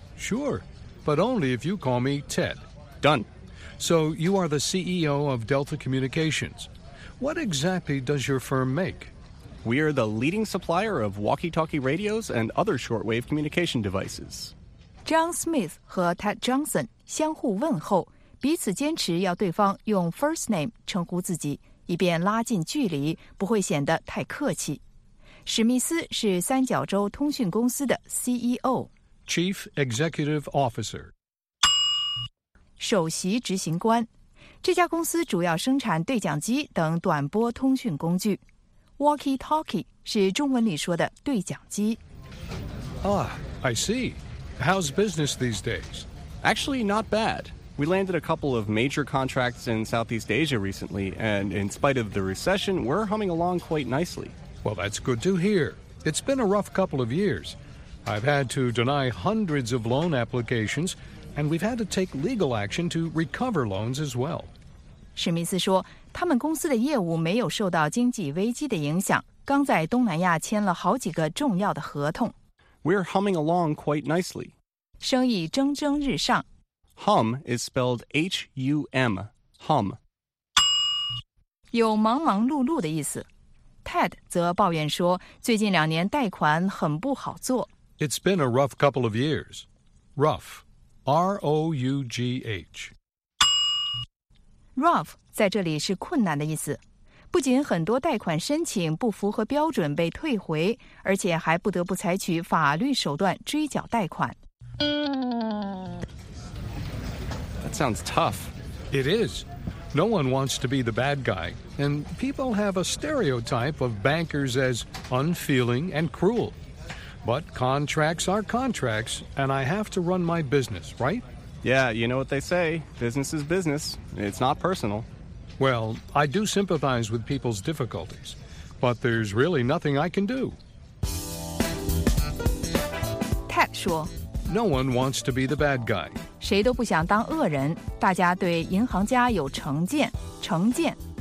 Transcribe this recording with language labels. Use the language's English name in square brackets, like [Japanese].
[English] Sure, but only if you call me Ted. Done. So you are the CEO of Delta Communications. What exactly does your firm make? We are the leading supplier of walkie-talkie radios and other shortwave communication devices. [Chinese] John Smith 和 Ted Johnson 相互问候，彼此坚持要对方用 first name 称呼自己，以便拉近距离，不会显得太客气。史密斯是三角洲通讯公司的 CEO [English] Chief Executive Officer [Chinese] 首席执行官，这家公司主要生产对讲机等短波通讯工具。 Walkie-talkie 是中文里说的对讲机。 [English] I see. How's business these days? Actually, not bad. We landed a couple of major contracts in Southeast Asia recently, and in spite of the recession, we're humming along quite nicely Well, that's good to hear. It's been a rough couple of years. I've had to deny hundreds of loan applications, and we've had to take legal action to recover loans as well. [Chinese] 史密斯说，他们公司的业务没有受到经济危机的影响，刚在东南亚签了好几个重要的合同。 [English] We're humming along quite nicely. [Chinese] 生意蒸蒸日上。 [English] Hum is spelled H-U-M, hum. [Chinese] 有忙忙碌碌的意思。 Ted 则抱怨说最近两年贷款很不好做。 [English] It's been a rough couple of years. Rough, R-O-U-G-H. [Chinese] Rough 在这里是困难的意思。不仅很多贷款申请不符合标准被退回，而且还不得不采取法律手段追缴贷款。 [English] That sounds tough. It is. No one wants to be the bad guy, and people have a stereotype of bankers as unfeeling and cruel. But contracts are contracts, and I have to run my business, right? Yeah, you know what they say. Business is business. It's not personal. Well, I do sympathize with people's difficulties, but there's really nothing I can do. [Chinese] Ted 说 [English] No one wants to be the bad guy. [Chinese] 谁都不想当恶人，大家对银行家有成见，成见。